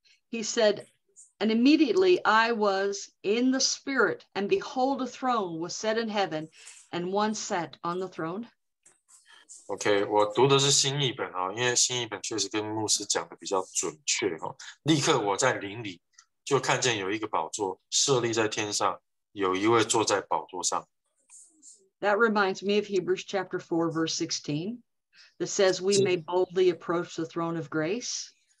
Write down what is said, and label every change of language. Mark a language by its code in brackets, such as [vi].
[en] He said, and immediately I was in the Spirit, and behold, a throne was set in heaven, and one sat on the throne. [zh] OK, 我读的是新译本，因为新译本确实跟牧师讲的比较准确。立刻我在灵里就看见有一个宝座，设立在天上，有一位坐在宝座上。 [en] That reminds me of Hebrews chapter 4, verse 16, that says we may boldly approach the throne of grace.